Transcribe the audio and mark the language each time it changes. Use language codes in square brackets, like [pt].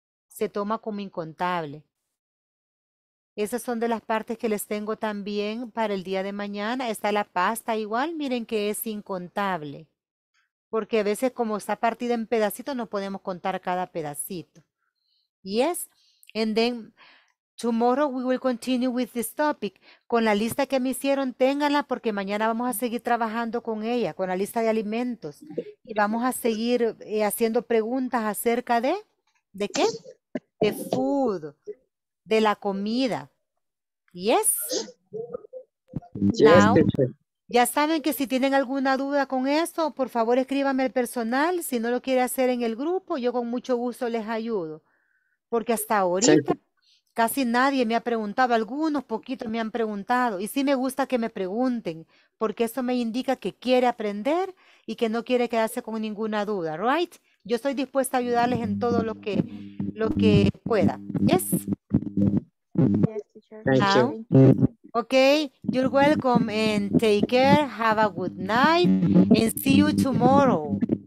[es] Se toma como incontable. Esas son de las partes que les tengo también para el día de mañana. Está la pasta igual, miren que es incontable. Porque a veces como está partida en pedacitos, no podemos contar cada pedacito. [en] Yes, and then tomorrow we will continue with this topic. [es] Con la lista que me hicieron, ténganla porque mañana vamos a seguir trabajando con ella, con la lista de alimentos. Y vamos a seguir haciendo preguntas acerca ¿de qué? De food, de la comida. ¿Yes? [en] Yes. Now, [es] ya saben que si tienen alguna duda con eso, por favor escríbanme al personal. Si no lo quiere hacer en el grupo, yo con mucho gusto les ayudo. Porque hasta ahorita... Sí. Casi nadie me ha preguntado, algunos poquitos me han preguntado. Y sí me gusta que me pregunten, porque eso me indica que quiere aprender y que no quiere quedarse con ninguna duda, ¿right? Yo estoy dispuesta a ayudarles en todo lo que pueda. [en] ¿Yes? Thank you. Ok, you're welcome and take care, have a good night and see you tomorrow.